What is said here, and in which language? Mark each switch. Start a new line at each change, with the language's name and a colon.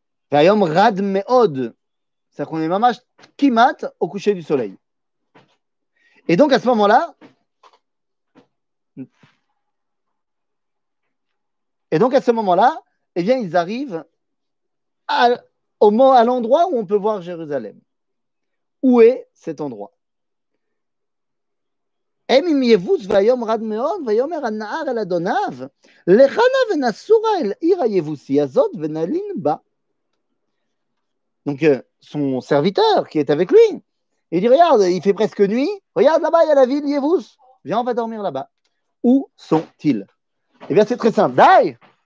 Hebrew: Vayom rad me'od,
French: c'est-à-dire qu'on est
Hebrew: mamash kimat
French: au coucher du soleil. Et donc à ce moment-là, eh bien ils arrivent à l'endroit où on peut voir Jérusalem. Où est cet endroit?
Hebrew: הם עם יבוס והיום רד מאוד, ויאמר הנער אל אדוניו, לכנה ונסורה אל עיר היבוסי הזאת ונלין בה.
French: Donc, son serviteur qui est avec lui, il dit, regarde, il fait presque nuit, regarde là-bas, il y a la ville Yevus, viens, on va dormir là-bas. Où sont-ils? Eh bien, c'est très simple. Dai!